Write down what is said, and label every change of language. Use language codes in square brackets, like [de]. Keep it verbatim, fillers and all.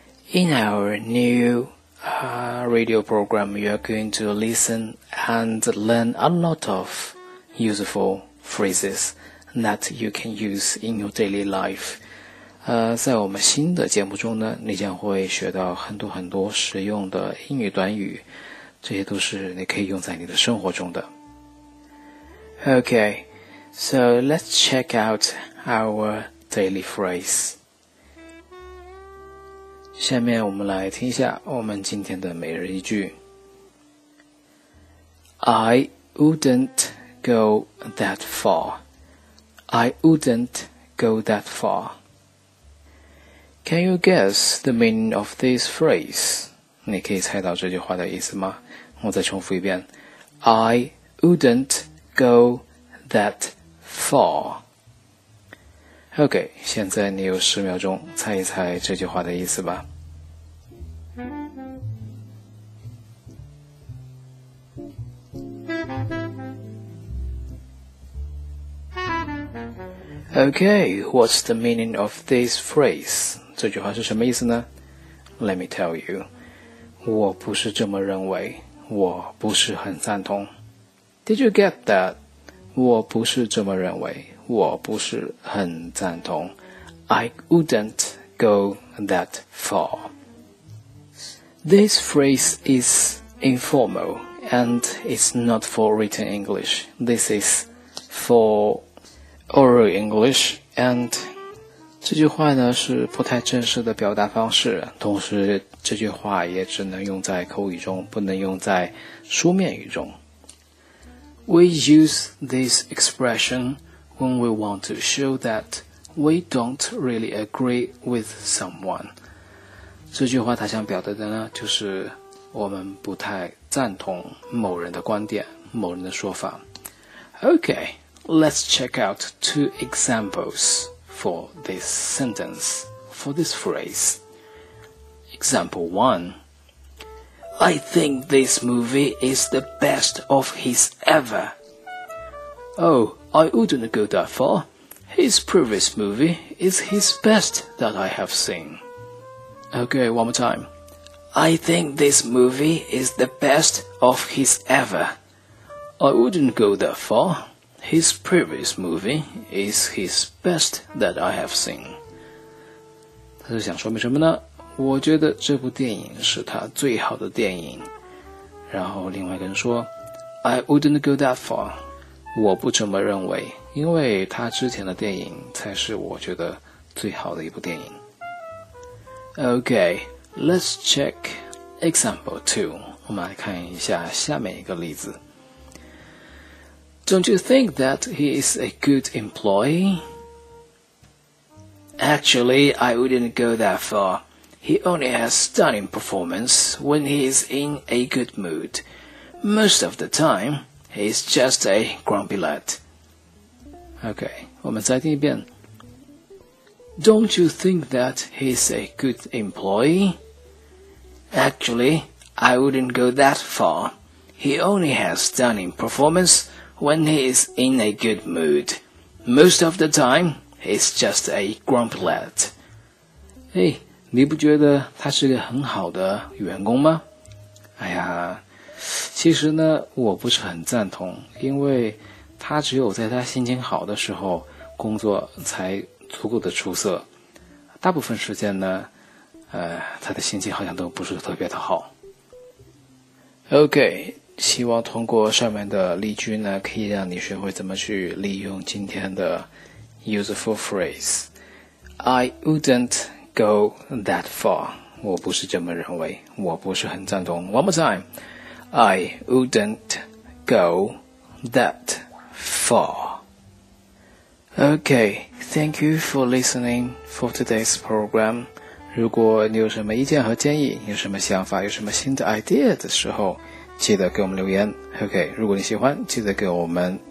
[en] In our new uh, radio program, you are going to listen and learn a lot of useful phrases that you can use in your daily life. [zh] 呃，在我们新的节目中呢，你将会学到很多很多实用的英语短语，这些都是你可以用在你的生活中的。 [en] Okay, so let's check out our daily phrase. [zh] 下面我们来听一下我们今天的每日一句。 [en] I wouldn't go that far. I wouldn't go that far. Can you guess the meaning of this phrase? [zh] 你可以猜到这句话的意思吗？我再重复一遍 [en] I wouldn't go that far. [zh] OK, 现在你有十秒钟猜一猜这句话的意思吧。 [en] Okay, what's the meaning of this phrase? [zh] 这句话是什么意思呢？ [en] Let me tell you, [zh] 我不是这么认为，我不是很赞同。 [en] Did you get that? [zh] 我不是这么认为，我不是很赞同。 [en] I wouldn't go that far. This phrase is informal and it's not for written English. This is for oral English and... [zh] 这句话呢是不太正式的表达方式，同时这句话也只能用在口语中，不能用在书面语中。 [en] We use this expression when we want to show that we don't really agree with someone. [zh] 这句话它想表达的呢，就是我们不太赞同某人的观点，某人的说法。 [en] Okay, let's check out two examples. For this sentence, for this phrase. Example one. I think this movie is the best of his ever. Oh, I wouldn't go that far. His previous movie is his best that I have seen. Okay, one more time. I think this movie is the best of his ever. I wouldn't go that far. His previous movie is his best that I have seen. [zh] 他是想说明什么呢？我觉得这部电影是他最好的电影。然后另外一个人说 [en] I wouldn't go that far. [zh] 我不这么认为，因为他之前的电影才是我觉得最好的一部电影。 [en] Okay, let's check example two. [zh] 我们来看一下下面一个例子。 [en] Don't you think that he is a good employee? Actually, I wouldn't go that far. He only has stunning performance when he is in a good mood. Most of the time, he is just a grumpy lad. [zh] Okay, 我们再听一遍。 [en] Don't you think that he is a good employee? Actually, I wouldn't go that far. He only has stunning performance. When he is in a good mood, most of the time, he's just a grumpy lad. [zh] Hey, 你不觉得他是个很好的员工吗？哎呀，其实呢，我不是很赞同，因为他只有在他心情好的时候，工作才足够的出色。大部分时间呢，呃，他的心情好像都不是特别的好。 OK. 希望通过上面的例句呢，可以让你学会怎么去利用今天的 [en] useful phrase。 I wouldn't go that far. [zh] 我不是这么认为，我不是很赞同。 [en] One more time. I wouldn't go that far. Okay, thank you for listening for today's program. [zh] 如果你有什么意见和建议，有什么想法，有什么新的 idea 的时候，记得给我们留言。OK， 如果你喜欢，记得给我们